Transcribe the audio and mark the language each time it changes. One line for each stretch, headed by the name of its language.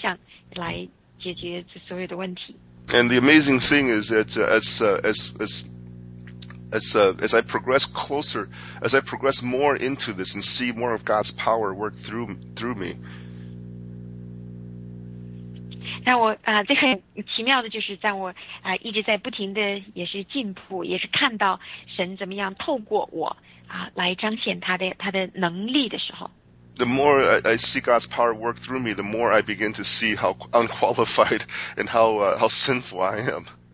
Chinese: 不管我多么的缺乏智慧，不管我做的决定是多么的错误，但是神总是能够再一次调整我的这样的一个心态，再把我带到一个正确的这个方向来解决所有的问题。
English: And the amazing thing is that as I progress closer, as I progress more into this and see more of God's power work through me.
Chinese: 让我最很奇妙的就是，在我一直在不停的也是进步，也是看到神怎么样透过我来彰显他的能力的时候。
English: The more I see God's power work through me, the more I begin to see how unqualified and how sinful I am.